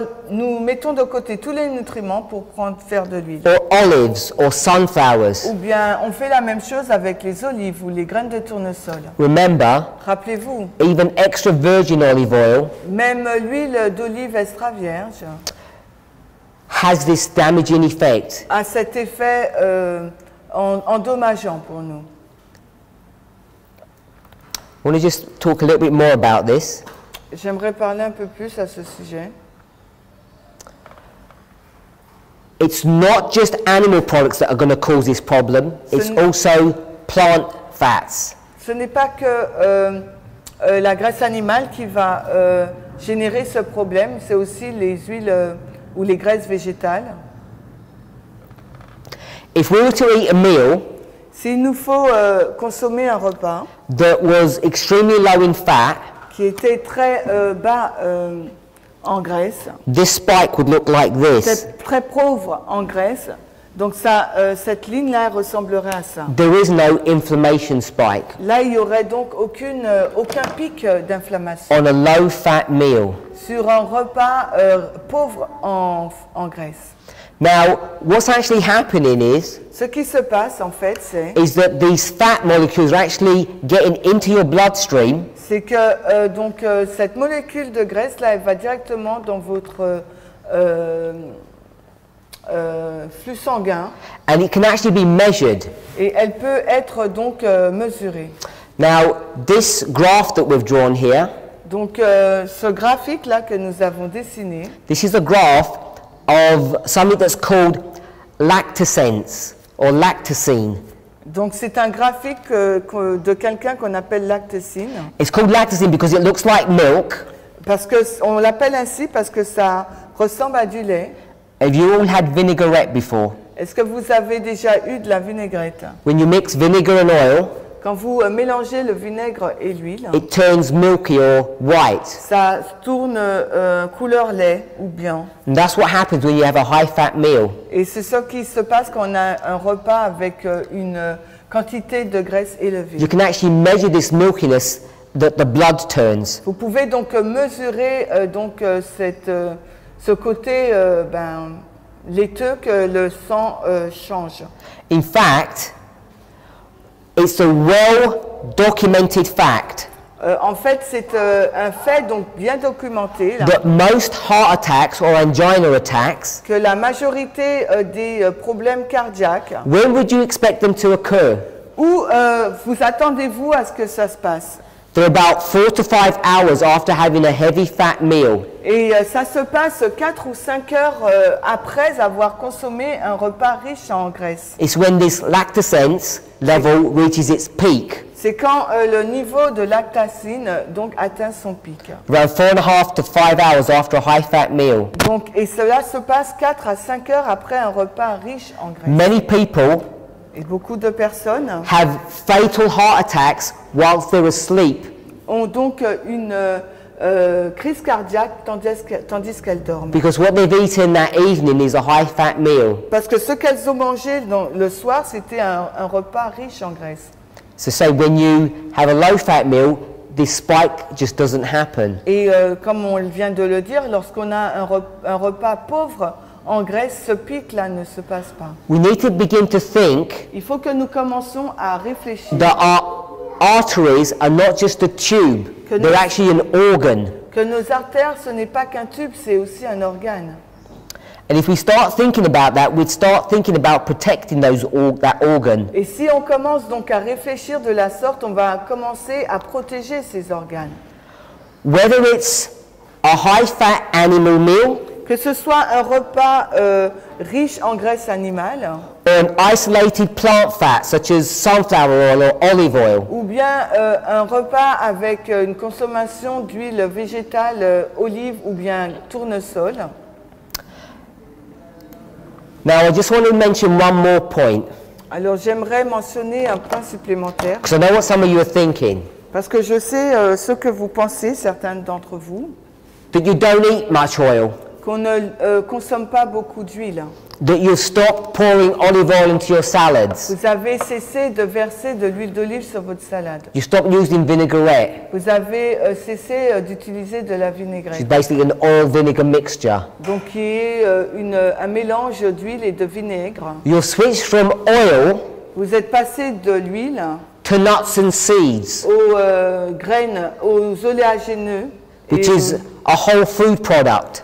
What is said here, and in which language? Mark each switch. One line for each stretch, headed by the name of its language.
French: Nous mettons de côté tous les nutriments pour faire de l'huile.
English: Or olives, or sunflowers.
French: Ou bien on fait la même chose avec les olives ou les graines de tournesol.
English: Remember.
French: Rappelez-vous.
English: Even extra virgin olive oil.
French: Même l'huile d'olive extra vierge.
English: Has this damaging effect.
French: A cet effet endommageant pour nous.
English: I want to just talk a little bit more about this.
French: J'aimerais parler un peu plus à ce sujet.
English: It's not just animal products that are going to cause this problem. It's also plant fats.
French: Ce n'est pas que la graisse animale qui va générer ce problème, c'est aussi les huiles ou les graisses végétales.
English: If we were to eat a meal,
French: s'il nous faut consommer un repas
English: that was extremely low in fat,
French: qui était très bas en graisse,
English: this spike would look like this.
French: C'est très pauvre en graisse. Donc ça, cette ligne-là ressemblerait à ça.
English: There is no inflammation spike.
French: Là, il n'y aurait donc aucune, aucun pic d'inflammation.
English: On a low fat meal.
French: Sur un repas pauvre en graisse.
English: Now, what's actually happening is,
French: ce qui se passe, en fait, c'est,
English: is that these fat molecules are actually getting into your bloodstream.
French: C'est que donc cette molécule de graisse là, elle va directement dans votre flux sanguin.
English: And it can actually be measured.
French: Et elle peut être donc mesurée.
English: Now, this graph that we've drawn here.
French: Donc ce graphique là que nous avons dessiné.
English: This is a graph of something that's called lactosense or lactosine.
French: Donc c'est un graphique de quelqu'un qu'on appelle lactosine.
English: It's called lactosine because it looks like milk.
French: Parce que on l'appelle ainsi parce que ça ressemble à du lait.
English: Have you all had vinaigrette before?
French: Est-ce que vous avez déjà eu de la vinaigrette?
English: When you mix vinegar and oil,
French: quand vous mélangez le vinaigre et l'huile,
English: it turns milky or white.
French: Ça tourne couleur lait ou bien.
English: And that's what happens when you have a high fat meal.
French: Et c'est ce qui se passe quand on a un repas avec une quantité de graisse élevée.
English: You can actually measure this milkiness that the blood turns.
French: Vous pouvez donc mesurer donc cette ce côté ben laiteux que le sang change.
English: In fact, it's a well-documented fact.
French: En fait, c'est un fait donc bien documenté. Là,
English: that most heart attacks or angina attacks.
French: Que la majorité des problèmes cardiaques.
English: When would you expect them to occur?
French: Où vous attendez-vous à ce que ça se passe?
English: They're about 4 to 5 hours after having a heavy fat meal.
French: Et ça se passe 4 ou 5 heures après avoir consommé un repas riche en graisse.
English: It's when this lactosense level reaches its peak.
French: C'est quand le niveau de lactacine donc atteint son pic.
English: About 4.5 to 5 hours after a high fat meal.
French: Donc et cela se passe 4 à 5 heures après un repas riche en graisse.
English: Many people
French: et beaucoup de personnes
English: have fatal heart attacks whilst they're asleep.
French: Ont donc une crise cardiaque tandis qu'elles dorment.
English: Because what they've eaten that evening is a high fat meal.
French: Parce que ce qu'elles ont mangé dans, le soir, c'était un repas riche en graisse.
English: So say when you have a low fat meal, this spike just doesn't happen.
French: Et comme on vient de le dire, lorsqu'on a un repas pauvre en graisse, ce pic-là ne se passe pas.
English: We need to begin to think.
French: Il faut que nous commençons à réfléchir.
English: That our arteries are not just a tube. They're actually an organ.
French: Que nos artères, ce n'est pas qu'un tube, c'est aussi un organe.
English: And if we start thinking about that, we'd start thinking about protecting those that organ.
French: Et si on commence donc à réfléchir de la sorte, on va commencer à protéger ces organes.
English: Whether it's a high-fat animal meal.
French: Que ce soit un repas riche en graisse animale.
English: Or an isolated plant fat, such as sunflower oil or olive oil.
French: Ou bien un repas avec une consommation d'huile végétale, olive ou bien tournesol.
English: Now, I just want to mention one more point.
French: Alors, j'aimerais mentionner un point supplémentaire.
English: Because I know what some of you are thinking.
French: Parce que je sais ce que vous pensez, certains d'entre vous.
English: That you don't eat much oil.
French: Qu'on ne consomme pas beaucoup d'huile.
English: That you stop pouring olive oil into your salads.
French: Vous avez cessé de verser de l'huile d'olive sur votre salade.
English: You stop using vinaigrette.
French: Vous avez cessé d'utiliser de la vinaigrette.
English: It's basically an oil vinegar mixture.
French: Donc qui est un mélange d'huile et de vinaigre.
English: You switch from oil.
French: Vous êtes passé de l'huile.
English: To nuts and seeds.
French: Aux graines, aux oléagineux.
English: Which is a whole food product.